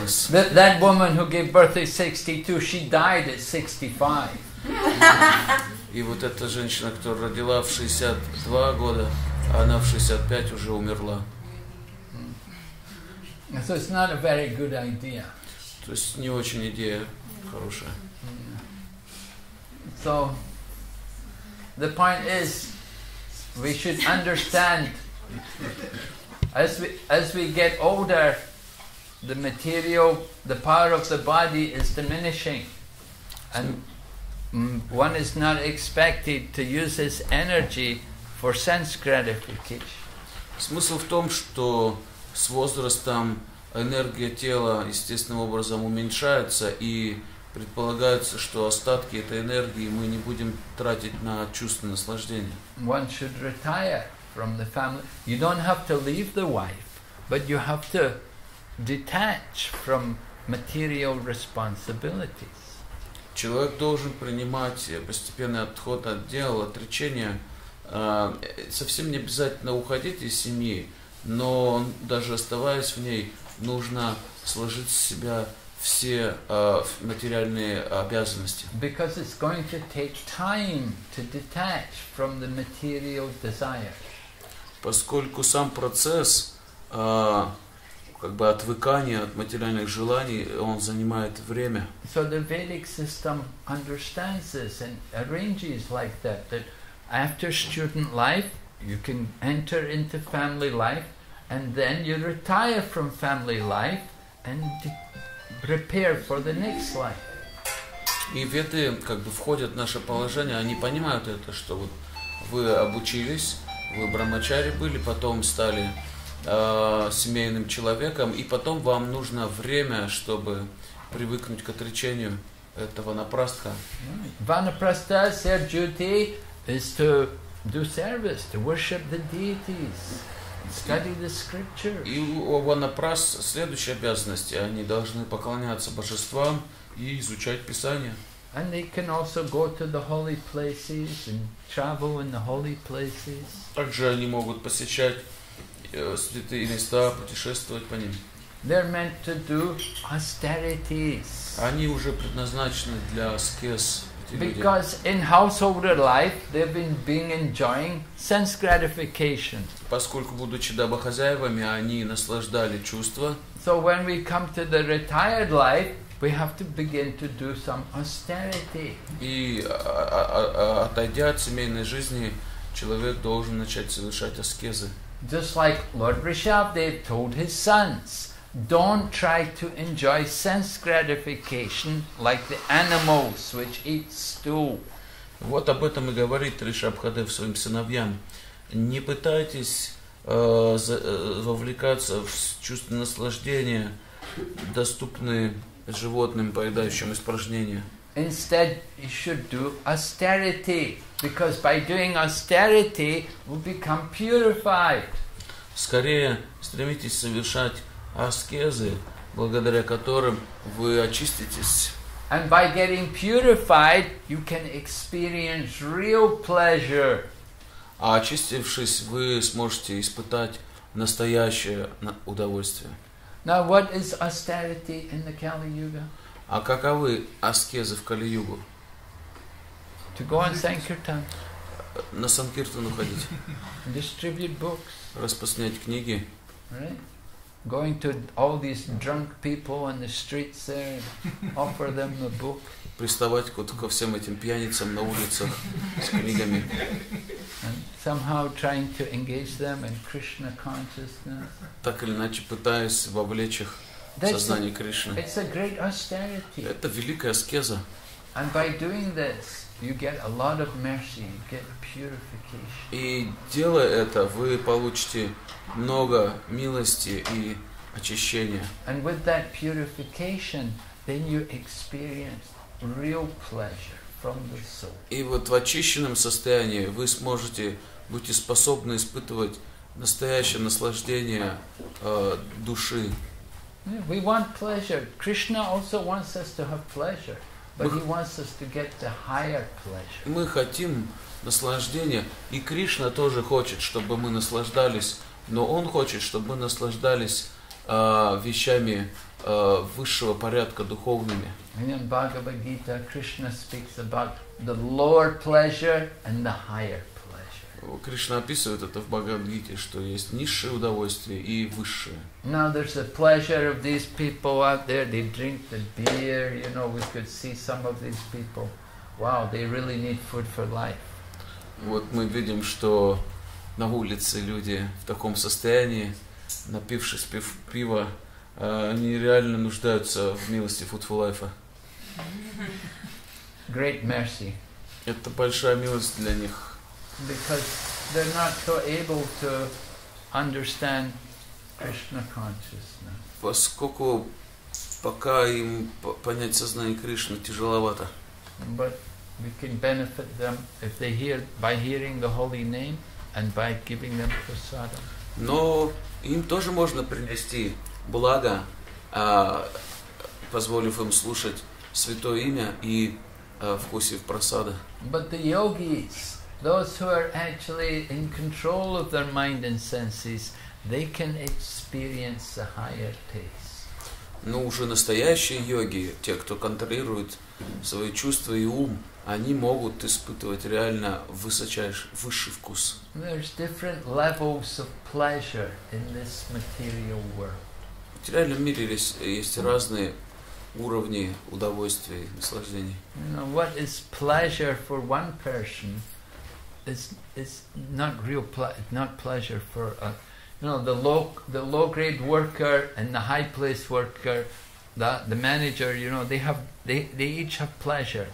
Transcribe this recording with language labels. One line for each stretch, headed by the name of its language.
English: That woman who gave birth at 62, she died at 65.
Russian: И вот эта женщина, которая родила в 62 года, она в 65 уже умерла.
English: So it's not a very good idea.
Russian: То есть не очень идея хорошая.
English: So the point is, we should understand as we get older, the material, the power of the body is diminishing, and one is not expected to use his energy for sense gratification.
Russian: Смысл в том, что с возрастом энергия тела естественным образом уменьшается, и предполагается, что остатки этой энергии мы не будем тратить на чувственное наслаждение.
English: One should retire from the family. You don't have to leave the wife, but you have to detach from material responsibilities.
Russian: Человек должен принимать постепенный отход от дел, отречение. Совсем не обязательно уходить из семьи, но даже оставаясь в ней, нужно сложить с себя все материальные обязанности.
English: Because it's going to take time to detach from the material desire.
Russian: Поскольку сам процесс как бы отвыкание от материальных желаний, он занимает время.
English: So the Vedic system understands this and arranges like that, that after student life, you can enter into family life, and then you retire from family life and prepare for the next life.
Russian: И Веды как бы входят в наше положение, они понимают это, что вот вы обучились, вы брамачари были, потом стали семейным человеком, и потом вам нужно время, чтобы привыкнуть к отречению этого напрастха.
English: Ванапраста, their duty is to do service, to worship the deities, study the scriptures.
Russian: И у ванапраст следующая обязанность, они должны поклоняться божествам и изучать Писание.
English: And they can also go to the holy places and travel in the holy places.
Russian: Также они могут посещать святые места, путешествовать по ним.
English: They're meant to do austerities.
Russian: Они уже предназначены для аскез.
English: Because in household life they've been being enjoying sense gratification.
Russian: Поскольку будучи домохозяевами, они наслаждали чувства.
English: So when we come to the retired life, we have to begin to do some austerity.
Russian: И отойдя от семейной жизни, человек должен начать совершать аскезы.
English: Just like Lord Rishabhdev told his sons, don't try to enjoy sense gratification like the animals which eat stool.
Russian: Вот об этом и говорит Ришабхадев своим сыновьям. Не пытайтесь вовлекаться в чувство наслаждения, доступные животным, поедающим испражнения.
English: Instead, you should do austerity, because by doing austerity, we'll become purified.
Russian: Скорее стремитесь совершать аскезы, благодаря которым вы очиститесь.
English: And by getting purified, you can experience real pleasure.
Russian: А очистившись, вы сможете испытать настоящее удовольствие.
English: Now, what is austerity in the Kali Yuga?
Russian: А каковы аскезы в Кали-югу?
English: To go on Sankirtan.
Russian: На Санкиртану ходить.
English: Distribute books.
Russian: Распространять книги.
English: Right? Going to all these drunk people on the streets there, offer them a book.
Russian: Приставать вот ко всем этим пьяницам на улицах с книгами.
English: And somehow trying to engage them in Krishna consciousness.
Russian: Так или иначе пытаясь вовлечь их в сознание Кришны.
English: It's a great austerity.
Russian: Это великая аскеза.
English: And by doing this, you get a lot of mercy, you get purification.
Russian: И делая это, вы получите много милости и очищения.
English: And with that purification, then you experience real pleasure from the soul.
Russian: И вот в очищенном состоянии вы сможете, будете способны испытывать настоящее наслаждение души.
English: We want pleasure. Krishna also wants us to have pleasure. But he wants us to get the higher pleasure.
Russian: Мы хотим наслаждения, и Кришна тоже хочет, чтобы мы наслаждались, но он хочет, чтобы мы наслаждались вещами высшего порядка духовными.
English: And in Bhagavad Gita, Krishna speaks about the lower pleasure and the higher pleasure.
Russian: Кришна описывает это в Бхагавад-гите, что есть низшее удовольствие и высшее.
English: Now there's the pleasure of these people out there. They drink the beer. You know, we could see some of these people. Wow, they really need food for life.
Russian: Вот мы видим, что на улице люди в таком состоянии, напившись пива, они реально нуждаются в милости food for life.
English: Great mercy.
Russian: Это большая милость для них.
English: Because they're not so able to understand Krishna consciousness.
Russian: Поскольку пока им понять сознание Кришны тяжеловато.
English: But we can benefit them if they hear by hearing the holy name and by giving them prasadam.
Russian: Но им тоже можно принести благо, позволив им слушать святое имя и вкусив прасада.
English: But the yogis, those who are actually in control of their mind and senses, they can experience a higher taste.
Russian: Но уже настоящие йоги, те, кто контролирует свои чувства и ум, они могут испытывать реально высочайший, высший вкус.
English: There's different levels of pleasure in this material world.
Russian: В материальном мире есть разные уровни удовольствия и наслаждений.
English: You know, what is pleasure for one person is not real not pleasure for a the low grade worker and the high place worker, the manager, you know, they each have pleasure.